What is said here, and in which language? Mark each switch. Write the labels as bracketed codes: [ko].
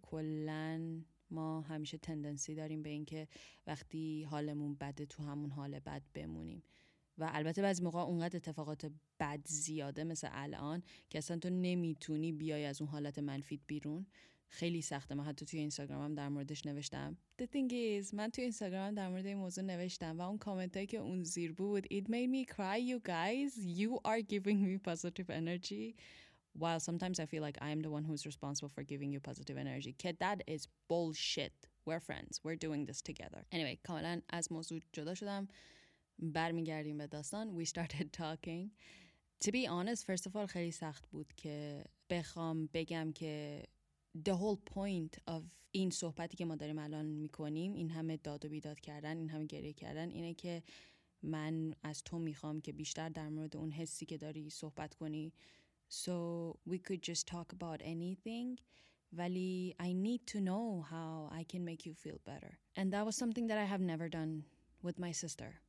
[fa] کلن ما همیشه تندنسی داریم به این که وقتی حالمون بده تو همون حال بد بمونیم، و البته بعضی موقع اونقدر اتفاقات بد زیاده مثل الان که اصلا تو نمیتونی بیای از اون حالت منفیت بیرون. خیلی سخته. من حتی توی اینستاگرامم در موردش نوشتم. [en] The thing is, [fa] من توی اینستاگرامم در مورد این موضوع نوشتم و اون کامنتایی که اون زیر بود، [en] It made me cry, you guys. You are giving me positive energy. While sometimes I feel like I am the one who's responsible for giving you positive energy. Kid, that is bullshit. We're friends. We're doing this together. [fa] Anyway, کاملا از موضوع جدا شدم. برمیگردیم به داستان. [en] We started talking. To be honest, first of all, [fa] خیلی سخت بود که بخوام بگم که [en] the whole point of [fa] این صحبتی که ما داریم الان میکنیم، این همه داد و بیداد کردن، این همه گریه کردن، اینه که من از تو میخوام که بیشتر در مورد اون حسی که داری صحبت کنی. [en] So we could just talk about anything. Vali, I need to know how I can make you feel better. And that was something that I have never done with my sister.